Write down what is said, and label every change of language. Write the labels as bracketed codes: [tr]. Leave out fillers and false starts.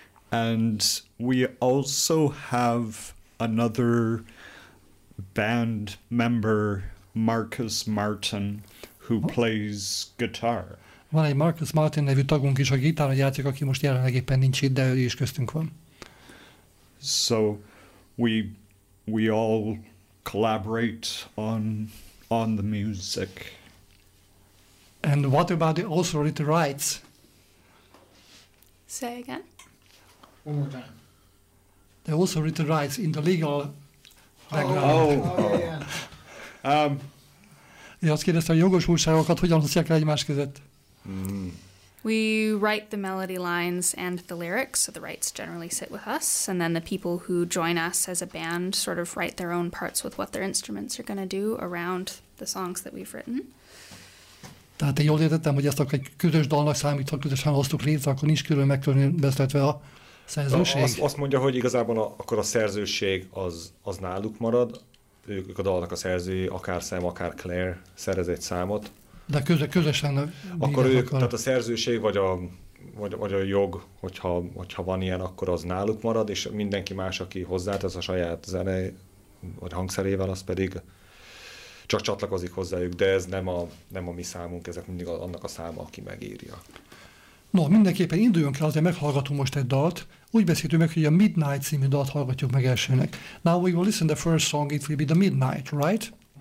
[en] And we also have another band member, Marcus Martin, who plays guitar. [hu] Van egy Marcus Martin nevű tagunk is, a gitáron játszik, aki most jelenleg éppen nincs itt, de ő is köztünk van. [en] So we all collaborate on the music. And what about the authority rights? Say again. One more time. They also read the rights in the legal background. [hu] Én azt kérdeztem, hogy jogosultságokat hogyan hozzák el egymás között? [en] We write the melody lines and the lyrics, so the rights generally sit with us, and then the people who join us as a band sort of write their own parts with what their instruments are going to do around the songs that we've written. [hu] Tehát én jól értettem, hogy ezt egy közös dalnak számít, ha közösen hoztuk létre, akkor nincs külön megkülönböztetve a szerzőség? Azt mondja, hogy igazából akkor a szerzőség az náluk marad, ők a dalnak a szerzői, akár Sam, akár Claire szerez egy számot. De közösen akkor ők, tehát a szerzőség vagy a jog, hogyha van ilyen, akkor az náluk marad, és mindenki más, aki hozzátesz a saját zene vagy hangszerével, az pedig csak csatlakozik hozzájuk, de ez nem a mi számunk, ezek mindig annak a száma, aki megírja. No, mindenképpen induljunk el, azért meghallgatunk most egy dalt. Úgy beszéltünk meg, hogy a Midnight című dalt hallgatjuk meg elsőnek. [en] Now we will listen the first song, it will be the Midnight, right?